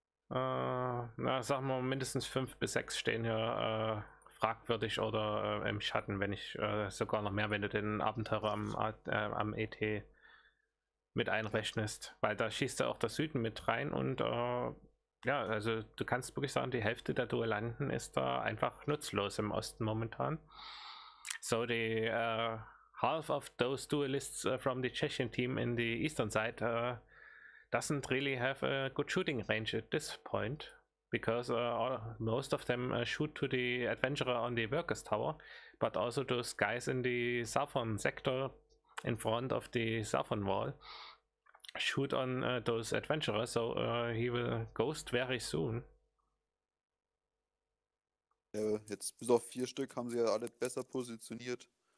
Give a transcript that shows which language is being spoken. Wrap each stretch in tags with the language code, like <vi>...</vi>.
<de>Na, sagen wir mindestens 5 bis 6 stehen hier fragwürdig oder im Schatten, wenn ich sogar noch mehr, wenn du den Abenteurer am ET mit einrechnest, weil da schießt ja auch der Süden mit rein und ja, also du kannst wirklich sagen, die Hälfte der Duellanten ist da einfach nutzlos im Osten momentan.</de> <en>So, die half of those duelists from the Czechian team in the eastern side doesn't really have a good shooting range at this point, because most of them shoot to the adventurer on the workers tower, but also those guys in the southern sector in front of the southern wall shoot on those adventurers, so he will ghost very soon.</en> <de>Ja, jetzt bis auf 4 Stück haben sie ja alle besser positioniert.</de>